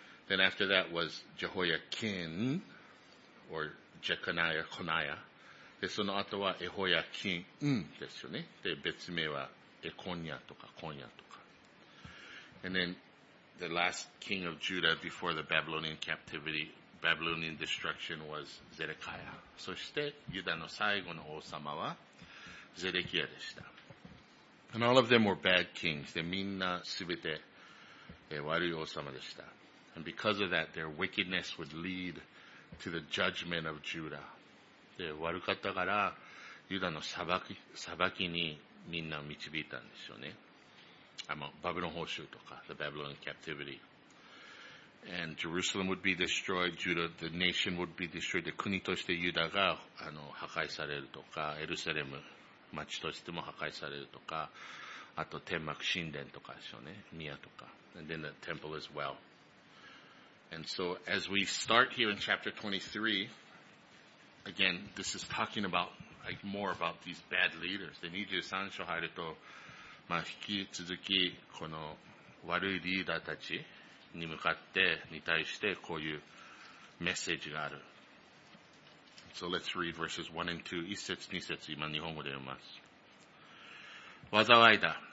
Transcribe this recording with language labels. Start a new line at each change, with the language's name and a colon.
English: Then after that was Jehoiakin or Jeconiah, Coniah.
Japanese: で、その後はエホヤキンですよね。で、別名はエコニャとかコニャとか。
English: And then,The last king of Judah before the Babylonian captivity, Babylonian destruction was Zedekiah.
Japanese: そして、ユダの最後の王様は、ゼデキアでした。
English: And all of them were bad kings.
Japanese: で、みんなすべて、悪い王様でした。
English: And because of that, their wickedness would lead to the judgment of Judah.
Japanese: で、悪かったから、ユダの裁きにみんなを導いたんですよね。バブロン報酬とか、
English: the Babylonian captivity. And Jerusalem would be destroyed,
Japanese: Judah, the nation would be destroyed, で国としてユダが破壊されるとか、エルサレム町としても破壊されるとか、あと天幕神殿とかですよね、宮とか。
English: And then the temple as well. And so as we start here in chapter 23, again, this is talking about, like, more about these bad leaders.
Japanese: で23章入ると、まあ、引き続き、この悪いリーダーたちに向かって、に対して、こういうメッセージがある。
English: So let's read verses 1 and 2.
Japanese: 一節二節、今日本語で読ます。災いだ。